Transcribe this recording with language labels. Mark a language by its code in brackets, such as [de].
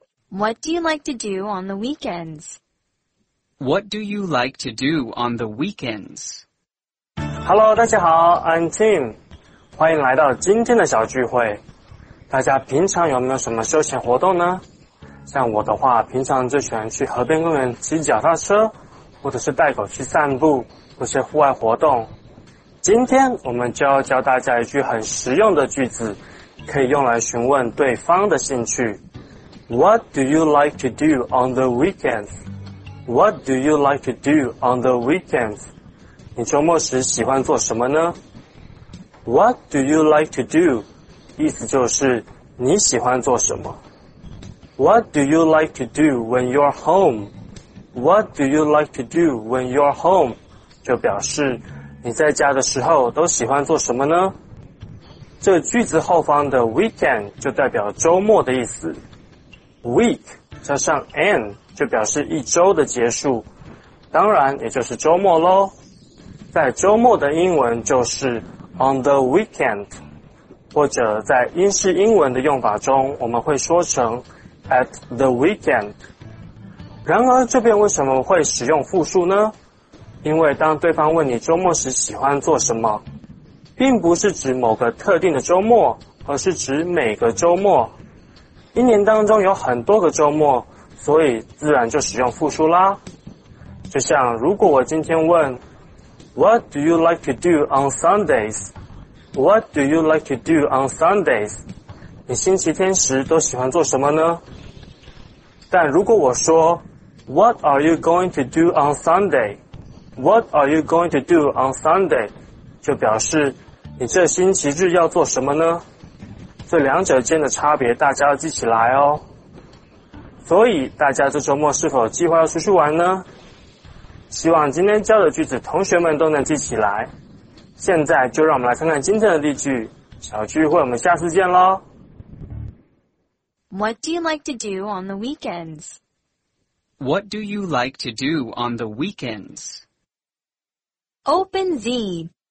[en] What do you like to do on the weekends? What do you like to do on the weekends? Hello, [zh] 大家好 [en] I'm Tim. [zh] 欢迎来到今天的小聚会。大家平常有没有什么休闲活动呢？像我的话，平常最喜欢去河边公园骑脚踏车，或者是带狗去散步，或是户外活动。今天我们就要教大家一句很实用的句子，可以用来询问对方的兴趣。 [en] What do you like to do on the weekends? What do you like to do on the weekends? [zh] 你周末时喜欢做什么呢？ [en] What do you like to do? [zh] 意思就是你喜欢做什么。 [en] What do you like to do when you're home? What do you like to do when you're home? [zh] 就表示你在家的时候都喜欢做什么呢？这句子后方的 weekend 就代表周末的意思。 week 加上 end 就表示一周的结束，当然也就是周末咯。在周末的英文就是 [en] on the weekend. [zh] 或者在英式英文的用法中，我们会说成 [en] at the weekend。 [zh] 然而这边为什么会使用复数呢？因为当对方问你周末时喜欢做什么，并不是指某个特定的周末，而是指每个周末。一年当中有很多个周末，所以自然就使用复数啦。就像如果我今天问 [en] What do you like to do on Sundays? What do you like to do on Sundays? [zh] 你星期天时都喜欢做什么呢？但如果我说 [en] What are you going to do on Sunday? What are you going to do on Sunday? [zh] 就表示你这星期日要做什么呢？这两者间的差别大家要记起来哦。所以大家这周末是否计划要出去玩呢？希望今天教的句子同学们都能记起来。现在就让我们来看看今天的例句，小聚会我们下次见咯。 [en] What do you like to do on the weekends? What do you like to do on the weekends? Open Z.